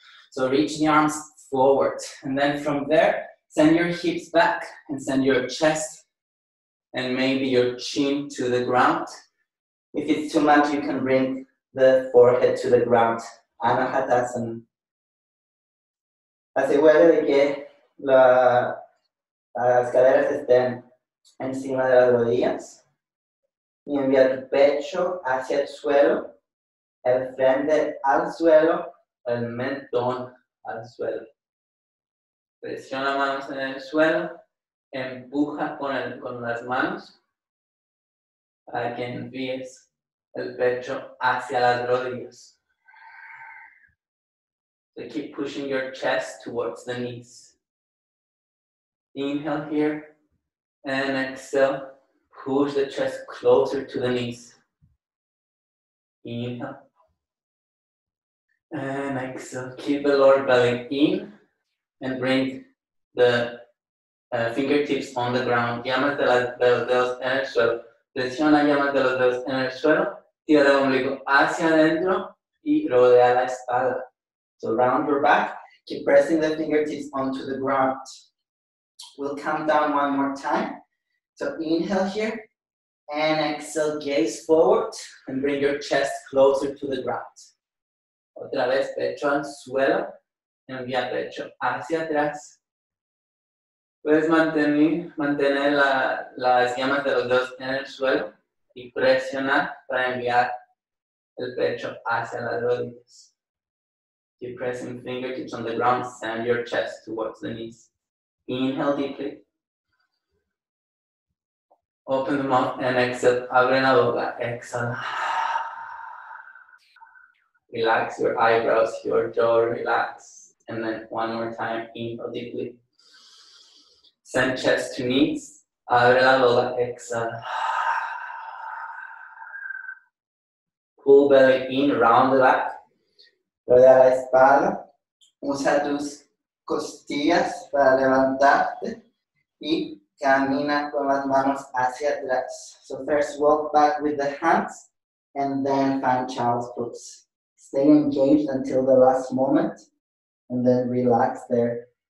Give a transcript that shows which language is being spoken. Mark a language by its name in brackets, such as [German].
[English] So reach the arms forward and then from there, send your hips back and send your chest and maybe your chin to the ground. If it's too much, you can bring the forehead to the ground. [Sanskrit] Anahatasana. [Spanish] Asegúrate de que las caderas estén encima de las rodillas y envía tu pecho hacia el suelo, el frente al suelo, el mentón al suelo. Presiona manos en el suelo, empuja con las manos para que envíes el pecho hacia las rodillas. [English] So keep pushing your chest towards the knees. Inhale here and exhale. Push the chest closer to the knees. Inhale. And exhale. Keep the lower belly in and bring the fingertips on the ground. [Spanish] Llamas de los dedos en el suelo. Presiona llamas de los dedos en el suelo. Tira el ombligo hacia adentro y rodea la espalda. [English] So round your back, keep pressing the fingertips onto the ground. We'll come down one more time. So inhale here, and exhale, gaze forward, and bring your chest closer to the ground. [Spanish] Otra vez, pecho al suelo, envía pecho hacia atrás. Puedes mantener las yemas de los dedos en el suelo, y presionar para enviar el pecho hacia las rodillas. [English] Keep pressing fingertips on the ground, send your chest towards the knees. Inhale deeply. Open the mouth and exhale. [Spanish] Abre la boca. [English] Exhale. Relax your eyebrows, your jaw, relax. And then one more time, inhale deeply. Send chest to knees. [Spanish] Abre la boca. [English] Exhale. Cool belly in, round the back. [Spanish] Rodea la espalda. Usa tus costillas para levantarte y camina con las manos hacia atrás. [English] So first walk back with the hands and then find child's pose. Stay engaged until the last moment and then relax there.